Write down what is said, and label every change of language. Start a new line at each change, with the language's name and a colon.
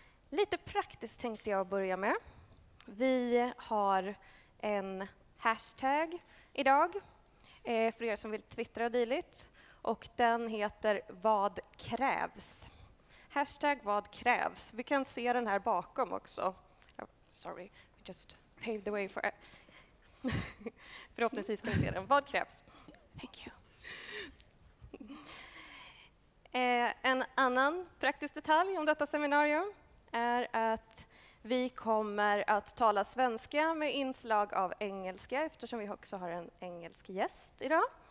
Swedish: Lite praktiskt tänkte jag börja med. Vi har en hashtag idag för er som vill twittra dyligt. Och den heter Vad krävs? Hashtag Vad krävs? Vi kan se den här bakom också.
English: Oh, sorry, we just paved the way for it.
Swedish: Förhoppningsvis kan vi se den. Vad krävs?
English: Thank you.
Swedish: En annan praktisk detalj om detta seminarium är att vi kommer att tala svenska med inslag av engelska eftersom vi också har en engelsk gäst idag.